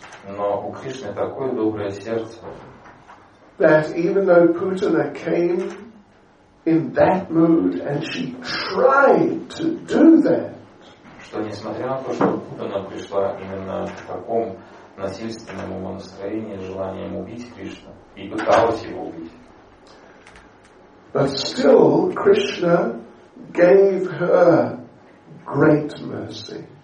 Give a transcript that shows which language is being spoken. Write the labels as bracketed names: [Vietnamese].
[Russian] Но у Кришны такое доброе сердце. [English] That even though Putana came in that mood, and she tried to do that. [Russian] Что несмотря на то, что Путана пришла именно в таком насильственном настроении, желанием убить Кришну, и пыталась его убить. [English] But still, Krishna gave her great mercy.